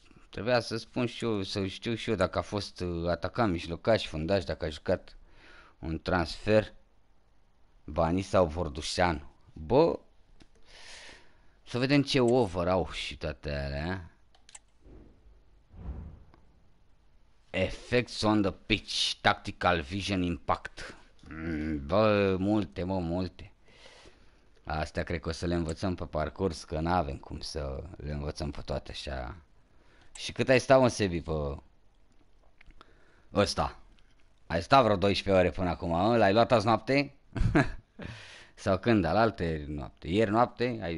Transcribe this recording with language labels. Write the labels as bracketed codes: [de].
[ro] Trebuia să spun și eu, să știu și eu dacă a fost atacat mijlocaș, fundaș, dacă a jucat un transfer. Bani sau Vordușan. Bă, să vedem ce over au și toate alea. [en] Effects on the pitch, tactical vision impact. [ro] Bă, multe, mă, multe. Astea cred că o să le învățăm pe parcurs, că n-avem cum să le învățăm pe toate așa. Și cât ai stat, mă, Sebi, pe ăsta? Ai stat vreo 12 ore până acum, mă? L-ai luat azi noapte? Sau când, alaltă noapte? Ieri noapte?